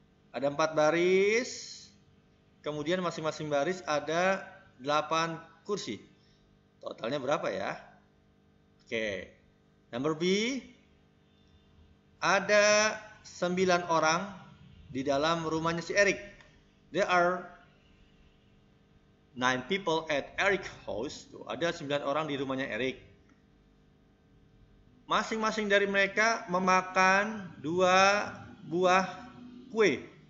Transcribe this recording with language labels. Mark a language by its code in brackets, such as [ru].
[id] Ada 4 baris. Kemudian masing-masing baris ada 8 kursi. Totalnya berapa ya? Oke. Number B. Ada 9 orang di dalam rumahnya si Eric. [en] There are 9 people at Eric's house. [id] Tuh, ada 9 orang di rumahnya Eric. Masing-masing dari mereka memakan 2 buah kue.